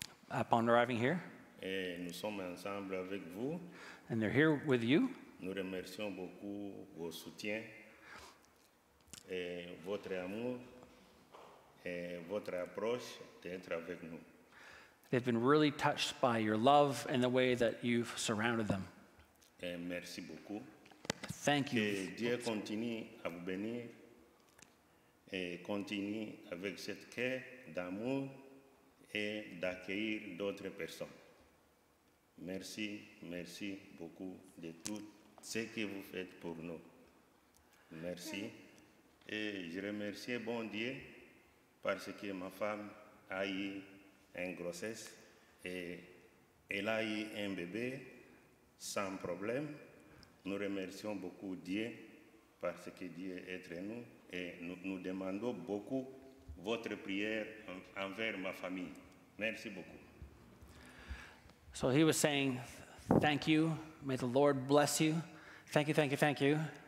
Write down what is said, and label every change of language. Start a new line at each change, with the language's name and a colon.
English: Upon arriving here.
French: Et nous sommes ensemble avec vous.
English: And they're here with you.
French: Nous remercions beaucoup vos soutiens et votre amour et votre approche d'être avec nous.
English: They've been really touched by your love and the way that you've surrounded them.
French: Et merci beaucoup.
English: Thank you.
French: Que Dieu continue à vous bénir et continue avec cette cœur d'amour et d'accueillir d'autres personnes. Merci, merci beaucoup de tout ce que vous faites pour nous. Merci. Et je remercie bon Dieu parce que ma femme a eu en grossesse et elle a eu un bébé sans problème. Nous remercions beaucoup Dieu parce que Dieu est entre nous et nous demandons beaucoup votre prière envers ma famille. Merci beaucoup.
English: So he was saying, thank you, may the Lord bless you. Thank you, thank you, thank you.